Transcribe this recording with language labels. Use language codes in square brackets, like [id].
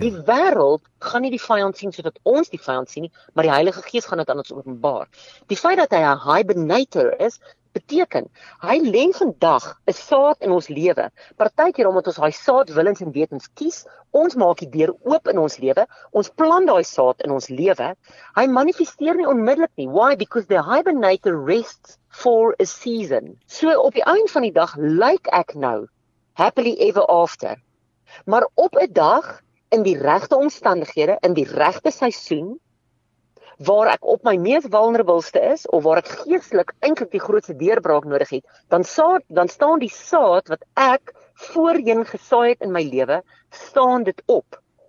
[af] Die wêreld gaan nie die vyand sien soos wat ons die vyand sien nie, maar die Heilige Gees gaan dit aan ons openbaar. Die feit dat hy 'n hibernator is, beteken, hy len vandag 'n saad in ons lewe. Partykeer omdat ons daai saad willens en wetens kies, ons maak die deur oop in ons lewe, ons plant daai saad in ons lewe. Hy manifesteer nie onmiddellik nie. [en] Why? Because the hibernator rests for a season. [af] So op die einde van die dag lyk ek nou [en] happily ever after. [af] Maar op 'n dag in die regte omstandighede, in die regte seisoen waar ek op my mees vulnerabelste is of waar ek geestelik eintlik die grootste deurbraak nodig het, dan staan die saad wat ek voorheen gesaai het in my lewe, staan dit op.